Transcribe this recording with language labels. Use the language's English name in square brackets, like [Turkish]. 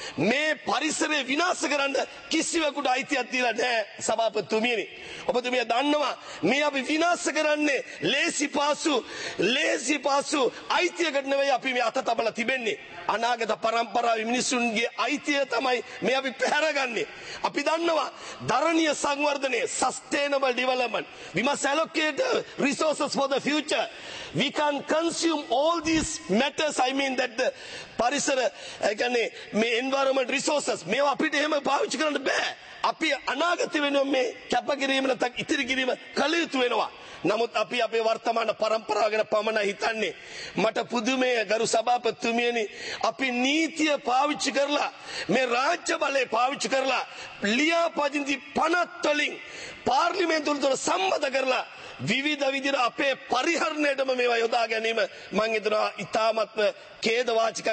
[Sinhala] මේ පරිසරය විනාශ කරන්න කිසිවෙකුට අයිතියක් දීලා නැහැ සභාපතිතුමියනි. ඔබතුමිය දන්නවා මේ අපි විනාශ කරන්නේ ලේසි පාසු අයිතියකට නෙවෙයි අපි මේ අත තබලා තිබෙන්නේ. අනාගත පරම්පරාවේ මිනිසුන්ගේ අයිතිය තමයි මේ අපි පැහැරගන්නේ. අපි දන්නවා දරණීය සංවර්ධනයේ [English] sustainable development we must allocate resources for the future. We can consume all these matters. I mean that the [Sinhala] පරිසර [Arabic] يعني [Sinhala] මේ [English] environment resources [Sinhala] මේවා අපිට එහෙම පාවිච්චි කරන්න බෑ. අපි අනාගත වෙනුවෙන් මේ කැපකිරීම නැත්නම් ඉතිරි කිරීම කළ යුතු වෙනවා. නමුත් අපි අපේ වර්තමාන පරම්පරාව ගැන පමණ හිතන්නේ. මට පුදුමය ගරු සභාපතිතුමියනි අපි නීතිය පාවිච්චි කරලා මේ රාජ්‍ය බලය පාවිච්චි කරලා ලියාපදිංචි පනත්වලින් පාර්ලිමේන්තුවට සම්මත කරලා විවිධ විදිහට අපේ පරිහරණයටම මේවා යොදා ගැනීම මම හිතනවා ඉතාමත්ම ඛේදවාචකක්.